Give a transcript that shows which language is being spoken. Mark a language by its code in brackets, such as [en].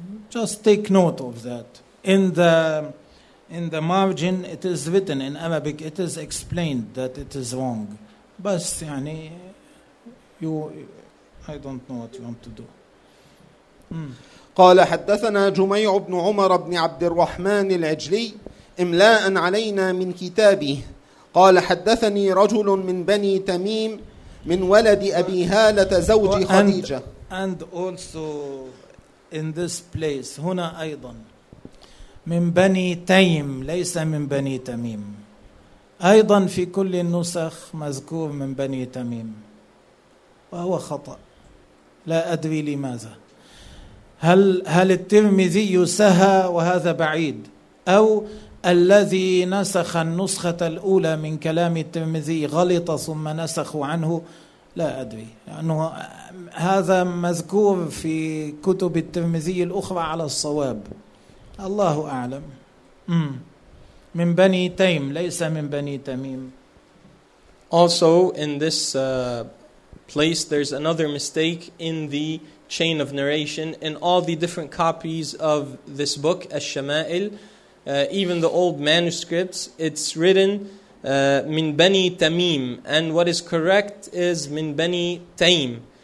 [en] Just take note of that. In the margin, it is written in Arabic, it is explained that it is wrong. But, yani, I don't know what you want to do. [ar] قال حدثنا جميع بن عمر بن عبد الرحمن العجلي إملاء علينا من كتابه قال حدثني رجل من بني تميم من ولد أبي هالة زوج خديجة [en] and also in this place [ar] هنا أيضا من بني تيم ليس من بني تميم أيضا في كل النسخ مذكور من بني تميم وهو خطأ لا أدري لماذا هل الترمذي سهى وهذا بعيد أو الذي نسخ النسخة الأولى من كلام الترمذي غلط ثم نسخ عنه لا أدري لأنه هذا مذكور في كتب الترمذي الأخرى على الصواب الله أعلم من بني تيم ليس من بني تميم. [en] Also in this place there's another mistake in the chain of narration in all the different copies of this book, Al-Shama'il, even the old manuscripts, it's written Min Bani Tamim, and what is correct is Min Bani Taim.